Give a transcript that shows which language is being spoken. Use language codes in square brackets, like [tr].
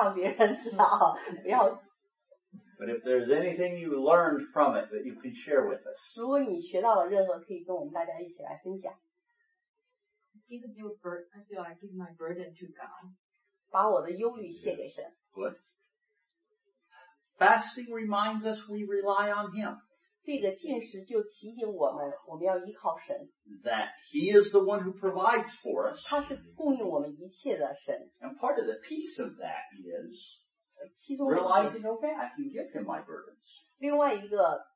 [zh] 你在想说，主耶稣在登山宝训的教导说，你进食不要让别人知道，不要。 [en] But if there's anything you learned from it that you can share with us. [zh] 如果你学到了任何，可以跟我们大家一起来分享。 [en] Give your burden, I feel like give my burden to God. [zh] 把我的忧虑卸给神。 [en] Good. Fasting reminds us we rely on Him. [zh] 这个进食就提醒我们，我们要依靠神。 [en] That He is the one who provides for us. [zh] 他是供应我们一切的神。 [en] And part of the peace of that is realizing, okay, I can give Him my burdens.